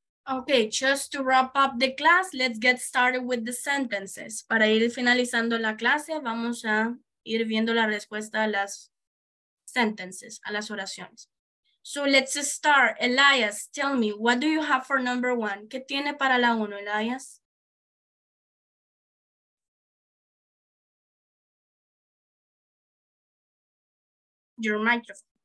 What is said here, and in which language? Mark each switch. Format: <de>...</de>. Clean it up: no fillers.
<en>Okay, just to wrap up the class, let's get started with the sentences.</en> <es>Para ir finalizando la clase, vamos a ir viendo la respuesta a las sentences, a las oraciones.</es> <en>So let's start. Elias, tell me, what do you have for number one?</en> <es>¿Qué tiene para la uno, Elias?</es> <en>Your microphone.</en>